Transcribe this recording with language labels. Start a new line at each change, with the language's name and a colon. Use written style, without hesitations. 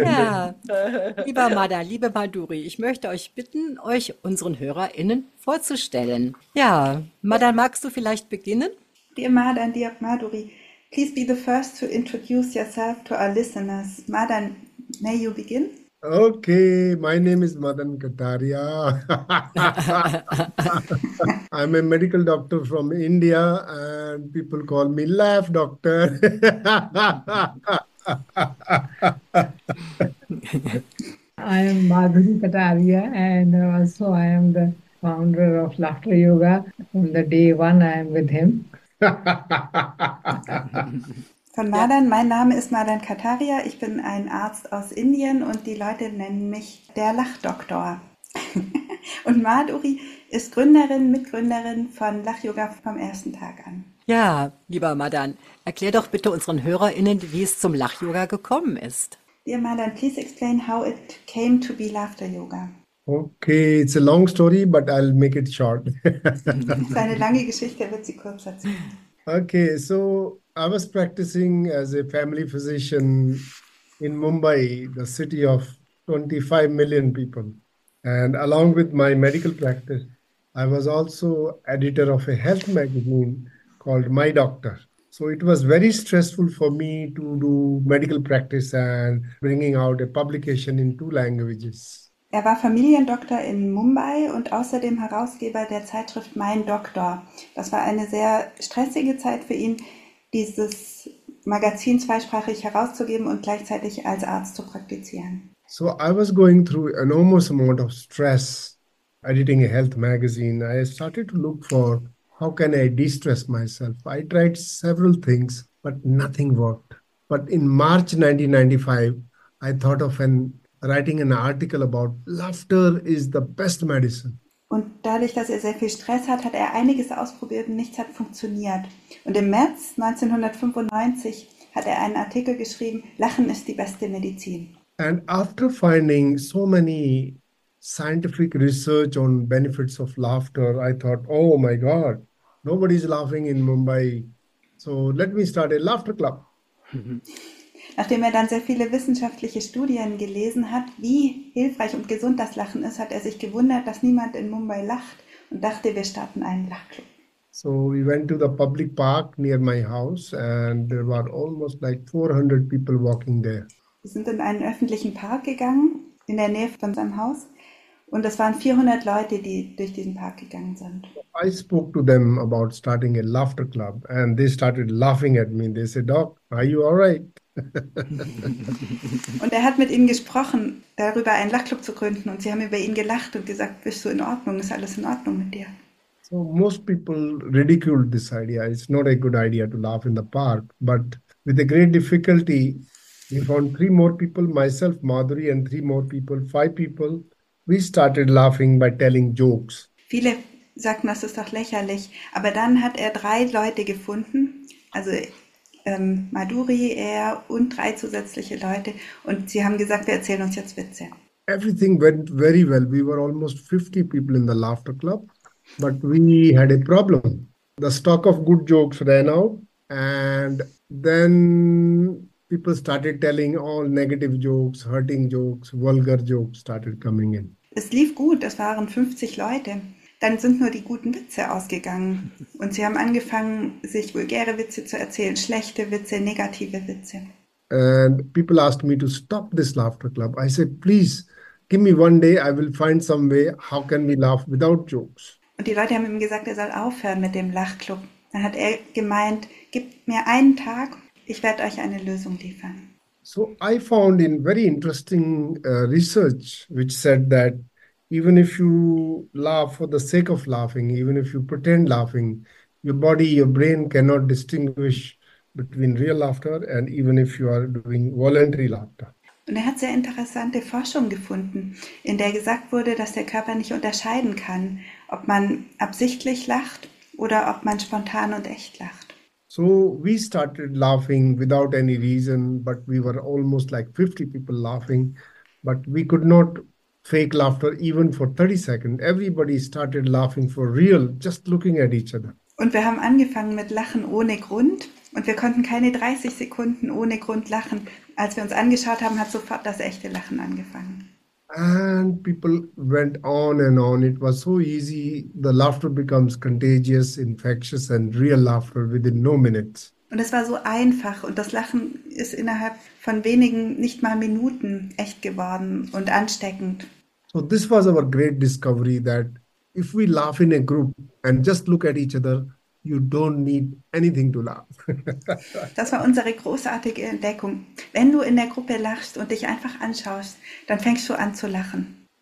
German: Ja, lieber Mada, liebe Maduri, ich möchte euch bitten, euch unseren HörerInnen vorzustellen. Ja, Mada, magst du vielleicht beginnen?
English: Dear Mada and dear Maduri, please be the first to introduce yourself to our listeners. Mada, may you begin? Okay, my name is Madan Kataria. I'm a medical doctor from India and people call me Laugh Doctor. I am Madhuri Kataria and also I am the founder of Laughter Yoga. From the day one, I am with him.
German: Von Madan, ja. Mein Name ist Madan Kataria, ich bin ein Arzt aus Indien und die Leute nennen mich der Lachdoktor. Und Maduri ist Gründerin, Mitgründerin von Lachyoga vom ersten Tag an. Ja, lieber Madan, erklär doch bitte unseren HörerInnen, wie es zum Lachyoga gekommen ist.
English: Dear Madan, please explain how it came to be Laughter Yoga. Okay, it's a long story, but I'll make it short.
German: Das ist eine lange Geschichte, wird sie kurz erzählen.
English: Okay, so I was practicing as a family physician in Mumbai, the city of 25 million people. And along with my medical practice, I was also editor of a health magazine called My Doctor. So it was very stressful for me to do medical practice and bringing out a publication in two languages.
German: Er war Familiendoktor in Mumbai und außerdem Herausgeber der Zeitschrift Mein Doktor. Das war eine sehr stressige Zeit für ihn, dieses Magazin zweisprachig herauszugeben und gleichzeitig als Arzt zu praktizieren.
English: So I was going through an enormous amount of stress editing a health magazine. I started to look for how can I de-stress myself. I tried several things, but nothing worked. But in March 1995, I thought of writing an article about laughter is the best medicine.
German: Und dadurch, dass er sehr viel Stress hat, hat er einiges ausprobiert und nichts hat funktioniert. Und im März 1995 hat er einen Artikel geschrieben, Lachen ist die beste Medizin.
English: And after finding so many scientific research on benefits of laughter, I thought, oh my God, nobody's laughing in Mumbai. So let me start a laughter club.
German: Nachdem er dann sehr viele wissenschaftliche Studien gelesen hat, wie hilfreich und gesund das Lachen ist, hat er sich gewundert, dass niemand in Mumbai lacht und dachte, wir starten einen Lachclub.
English: So we went to the public park near my house and there were almost like 400 people walking there.
German: Wir sind in einen öffentlichen Park gegangen, in der Nähe von seinem Haus und es waren 400 Leute, die durch diesen Park gegangen sind.
English: I spoke to them about starting a laughter club and they started laughing at me. They said, Doc, are you all right?
German: Und er hat mit ihnen gesprochen, darüber einen Lachclub zu gründen und sie haben über ihn gelacht und gesagt, bist du in Ordnung, ist alles in Ordnung mit dir?
English: So most people ridiculed this idea. It's not a good idea to laugh in the park, but with a great difficulty we found 3 more people, myself, Madhuri and 3 more people, 5 people, we started laughing by telling jokes.
German: Viele sagten, das ist doch lächerlich, aber dann hat er 3 Leute gefunden, also Maduri, er und 3 zusätzliche Leute und sie haben gesagt, wir erzählen uns jetzt Witze.
English: Everything went very well. We were almost 50 people in the laughter club, but we had a problem. The stock of good jokes ran out and then people started telling all negative jokes, hurting jokes, vulgar jokes started coming in.
German: Es lief gut, es waren 50 Leute. Dann sind nur die guten Witze ausgegangen und sie haben angefangen, sich vulgäre Witze zu erzählen, schlechte Witze, negative Witze.
English: And people asked me to stop this laughter club. I said, please, give me one day, I will find some way, how can we laugh without jokes?
German: Und die Leute haben ihm gesagt, er soll aufhören mit dem Lachclub. Dann hat er gemeint, gib mir einen Tag, ich werde euch eine Lösung liefern.
English: So I found in very interesting research, which said that even if you laugh for the sake of laughing, even if you pretend laughing, your body, your brain cannot distinguish between real laughter and even if you are doing voluntary laughter.
German: Und er hat sehr interessante Forschung gefunden, in der gesagt wurde, dass der Körper nicht unterscheiden kann, ob man absichtlich lacht oder ob man spontan und echt lacht.
English: So we started laughing without any reason, but we were almost like 50 people laughing, but we could not fake laughter even for 30 seconds. Everybody started laughing for real, just looking at each other.
German: Und wir haben angefangen mit Lachen ohne Grund. Und wir konnten keine 30 Sekunden ohne Grund lachen. Als wir uns angeschaut haben, hat sofort das echte Lachen angefangen.
English: And people went on and on. It was so easy. The laughter becomes contagious, infectious and real laughter within no minutes.
German: Und es war so einfach. Und das Lachen ist innerhalb von wenigen, nicht mal Minuten, echt geworden und ansteckend.
English: So this was our great discovery that if we laugh in a group and just look at each other, you don't need anything to laugh.
German: Das war unsere großartige Entdeckung. Wenn du in der Gruppe lachst und dich einfach anschaust, dann fängst du an zu lachen.